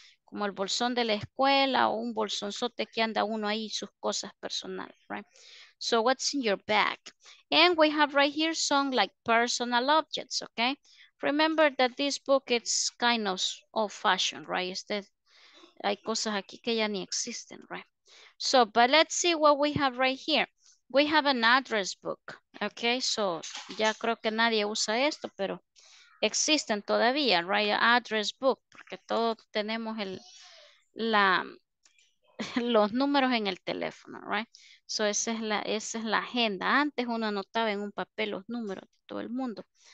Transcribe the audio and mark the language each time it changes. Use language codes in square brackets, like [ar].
[es] Como el bolsón de la escuela o un bolsonzote que anda uno ahí sus cosas personales, right? [en] So, what's in your bag? And we have right here some like personal objects, okay? Remember that this book is kind of old fashioned, right? [es] Instead, hay cosas aquí que ya ni existen, right? [en] So, but let's see what we have right here. We have an address book, okay? [es] So, ya creo que nadie usa esto, pero existen todavía, right? Address book, porque todos tenemos el, la, los números en el teléfono, right? So, esa es la agenda. Antes uno anotaba en un papel los números de todo el mundo.